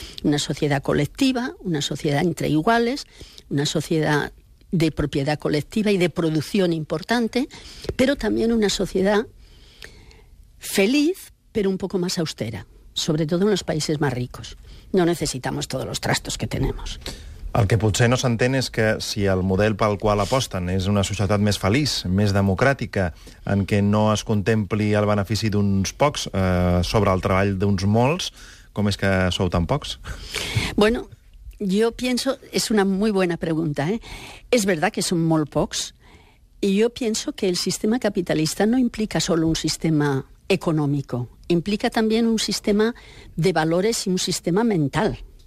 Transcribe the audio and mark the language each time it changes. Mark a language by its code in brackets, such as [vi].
[es] Una sociedad colectiva, una sociedad entre iguales, una sociedad de propiedad colectiva y de producción importante, pero también una sociedad feliz, pero un poco más austera, sobre todo en los países más ricos. No necesitamos todos los trastos que tenemos. [ca] El que potser no s'entén és que si el model pel qual aposten és una societat més feliç, més democràtica, en què no es contempli el benefici d'uns pocs sobre el treball d'uns molts, com és que sou tan pocs? [es] Bueno, yo pienso, es una muy buena pregunta, ¿eh? Es verdad que son [ca] molt pocs, [es] y yo pienso que el sistema capitalista no implica solo un sistema económico, implica también un sistema de valores y un sistema mental.